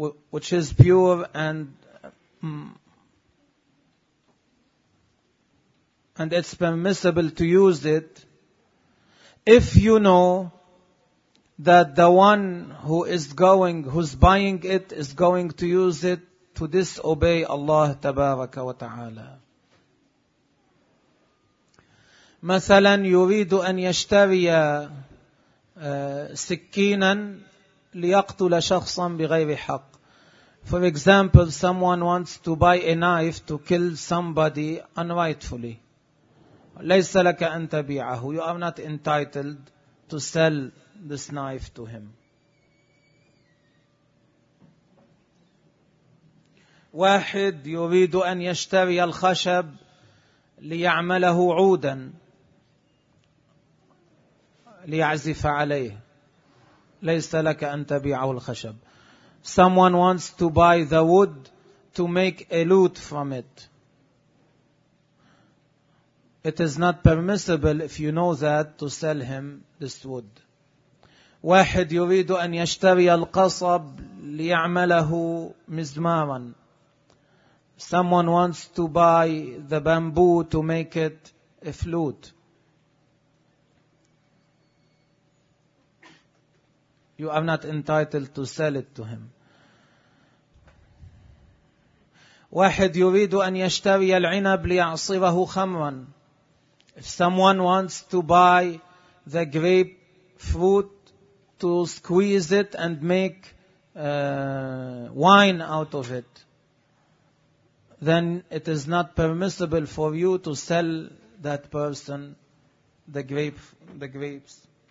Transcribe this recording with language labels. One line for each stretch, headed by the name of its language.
English: which is pure and it's permissible to use it, if you know that the one who is going, who's buying it, is going to use it to disobey Allah tabaraka wa ta'ala.
Arabic: مثلا يريد أن يشتري سكينا ليقتل شخصا بغير حق.
English: For example, someone wants to buy a knife to kill somebody unrightfully.
Arabic: ليس لك أن تبيعه.
English: You are not entitled to sell this knife to him.
Arabic: واحد يريد أن يشتري الخشب ليعمله عودا. ليعزف عليه. ليس لك أن تبيعه الخشب.
English: Someone wants to buy the wood to make a lute from it. It is not permissible, if you know that, to sell him this wood.
Arabic: واحد يريد أن يشتري القصب ليعمله مزمارا.
English: Someone wants to buy the bamboo to make it a flute. You are not entitled to sell it to him.
Arabic: واحد يريد أن يشتري العنب ليعصره خمرا.
English: If someone wants to buy the grape fruit to squeeze it and make wine out of it, then it is not permissible for you to sell that person the grapes.